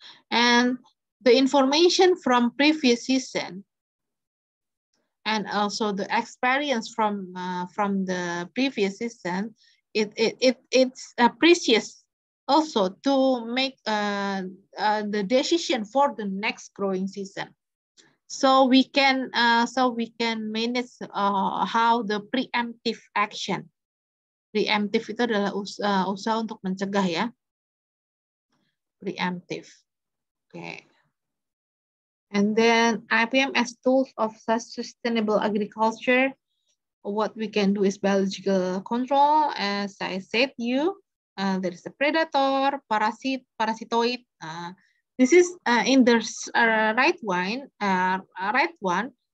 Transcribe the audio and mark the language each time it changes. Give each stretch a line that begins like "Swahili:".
English: And the information from previous season and also the experience from the previous season, it's precious also to make the decision for the next growing season. So we can manage how the preemptive action.
Indonesian: Preemptive itu adalah usaha untuk mencegah ya.
English: Preemptive. Okay. And then IPM as tools of sustainable agriculture. What we can do is biological control, as I said you. There is a predator, parasitoid. This is in the right one.